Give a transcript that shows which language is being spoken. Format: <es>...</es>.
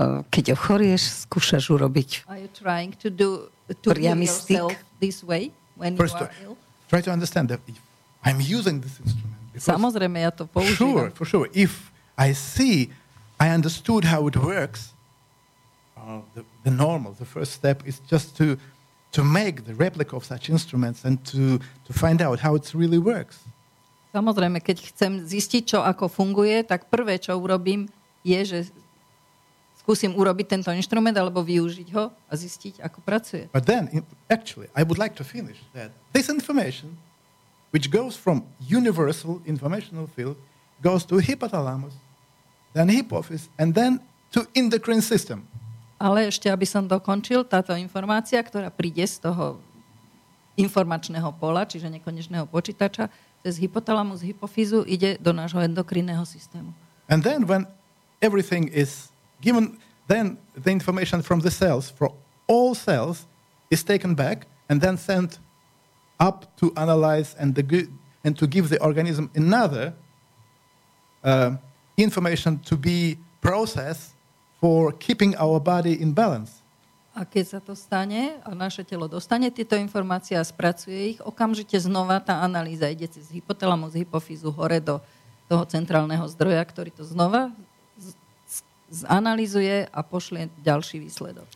<sk>Keď ochorieš, skúšaš urobiť.</sk> <en>Are you trying to do to yourself this way when first you are ill? Try to understand that if I'm using this instrument.</en> <sk>Samozrejme, ja to používam.</sk> <en>Sure, for sure. If I see, I understood how it works, the normal, the first step is just to make the replica of such instruments and to find out how it really works.</en> <sk>Samozrejme, keď chcem zistiť, čo ako funguje, tak prvé, čo urobím, je, že skúsim urobiť tento inštrument alebo využiť ho a zistiť, ako pracuje.</sk> <en>But then, actually, I would like to finish that this information, which goes from universal informational field, goes to hypothalamus, then hypophysis, and then to endocrine system.</en> <sk>Ale ešte, aby som dokončil, táto informácia, ktorá príde z toho informačného pola, čiže nekonečného počítača, cez hypotalamus, hypofyzu, ide do nášho endokrinného systému.</sk> <en>And then when everything is given, then the information from the cells, for all cells, is taken back and then sent up to analyze and to give the organism another information to be processed for keeping our body in balance.</en> <sk>A keď sa to stane a naše telo dostane tieto informácie a spracuje ich, okamžite znova tá analýza ide cez hypotalamus, hypofyzu hore do toho centrálneho zdroja, ktorý to znova zanalýzuje a pošle ďalší výsledok.</sk>